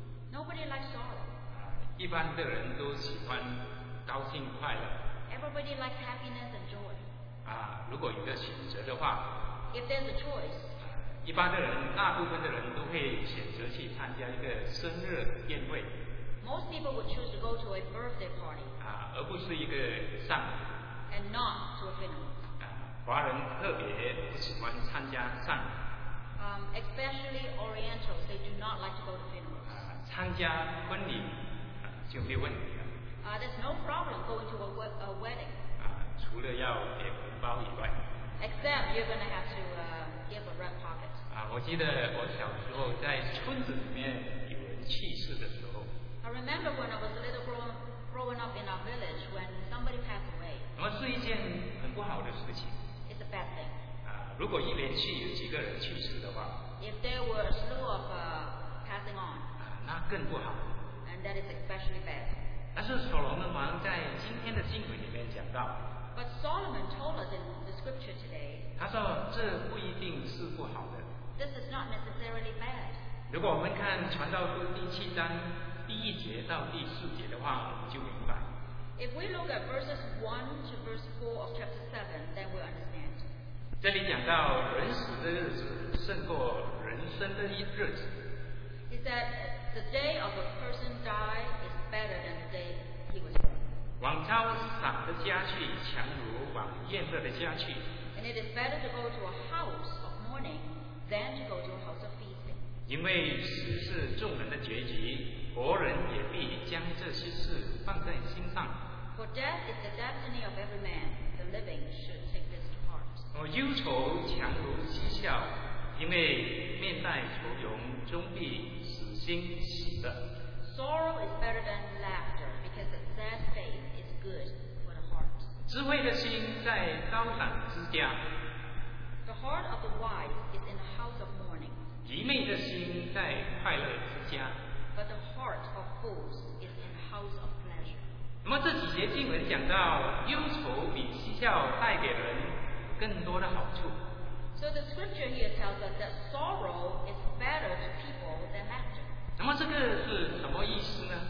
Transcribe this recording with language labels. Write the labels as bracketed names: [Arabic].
[English] Nobody likes sorrow. [Chinese] 一般的人都喜欢高兴快乐。 [English] Everybody likes happiness and joy. [Chinese] 啊，如果有个选择的话。 [English] If there's a choice. [Chinese] 一般的人，大部分的人都会选择去参加一个生日宴会。 [English] Most people would choose to go to a birthday party. [Chinese] 啊，而不是一个丧礼。 [English] And not to a funeral. [Chinese] 啊，华人特别不喜欢参加丧礼。 [English] Especially Orientals, they do not like to go to funerals. [Chinese] 啊，参加婚礼。就没问题了。 [English] There's no problem going to a wedding. [Chinese] 啊，除了要给红包以外。 [English] Except you're going to have to give a red pocket. [Chinese] 啊，我记得我小时候在村子里面有人去世的时候。 [English] I remember when I was a little growing up in our village when somebody passed away. [Chinese] 那么是一件很不好的事情。 [English] It's a bad thing. [Chinese] 啊，如果一连续有几个人去世的话。 [English] If there were a slew of passing on. [Chinese] 啊，那更不好。 [English] That is especially bad. [Chinese] 但是所罗门王在今天的经文里面讲到。 [English] But Solomon told us in the scripture today. [Chinese] 他说这不一定是不好的。 [English] This is not necessarily bad. [Chinese] 如果我们看传道书第七章第一节到第四节的话，我们就明白。 [English] If we look at verses 1 to verse 4 of chapter 7, then we understand. [Chinese] 这里讲到人死的日子胜过人生的日子。 [English] He said the day of a person die is better than the day he was born. [Chinese] 往招赏的佳器强如往宴乐的佳器。 [English] And it is better to go to a house of mourning than to go to a house of feasting. [Chinese] 因为死是众人的结局，活人也必将这些事放在心上。 [English] For death is the destiny of every man, the living should take this to heart. [Chinese] 忧愁强如嬉笑，因为面带愁容终必使心喜乐。 [English] Sorrow is better than laughter because a sad face is good for the heart. [Chinese] 智慧的心在刀上之家。 [English] The heart of the wise is in the house of mourning. [Chinese] 愚昧的心在快乐之家。 [English] But the heart of fools is in the house of pleasure. [Chinese] 那么这几节经文讲到忧愁比嬉笑带给人更多的好处。 [English] So the scripture here tells us that sorrow is better to people than laughter. [Chinese] 那么这个是什么意思呢？